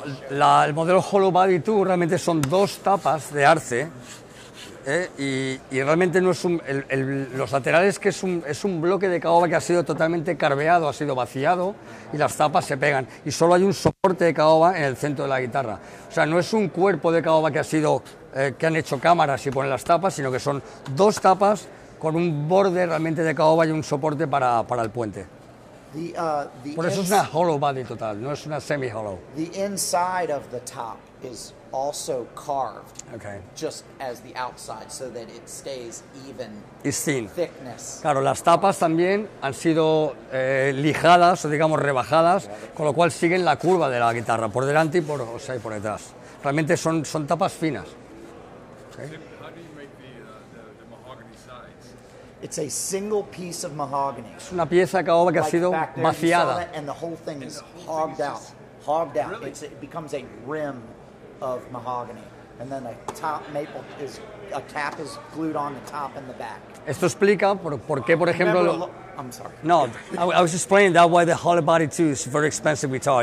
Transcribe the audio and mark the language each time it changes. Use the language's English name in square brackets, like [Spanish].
[Spanish] El modelo Hollow Body 2 realmente son dos tapas de arce, y realmente no es un, los laterales, que es un bloque de caoba que ha sido totalmente carveado, ha sido vaciado, y las tapas se pegan. Y solo hay un soporte de caoba en el centro de la guitarra. O sea, no es un cuerpo de caoba que ha sido, que han hecho cámaras y ponen las tapas, sino que son dos tapas con un borde realmente de caoba y un soporte para el puente. Por eso es una hollow body total, no es una semi-hollow. [English] The inside of the top is also carved, okay, just as the outside, so that it stays even. It's thin. Thickness. [Spanish] Claro, las tapas también han sido lijadas o digamos rebajadas, con lo cual siguen la curva de la guitarra por delante y por, o sea, y por detrás. Realmente son tapas finas. ¿Sí? [English] How do you make the mahogany sides? It's a single piece of mahogany. [Spanish] Es una pieza de caoba que ha sido vaciada. [English] And the whole thing is hogged out. Hogged out. Really? It becomes a rim of mahogany, and then a top maple is a cap is glued on the top and the back. [Spanish] Esto explica por qué, por ejemplo. [English] I'm sorry. No, I was explaining that why the hollow body too is a very expensive guitar.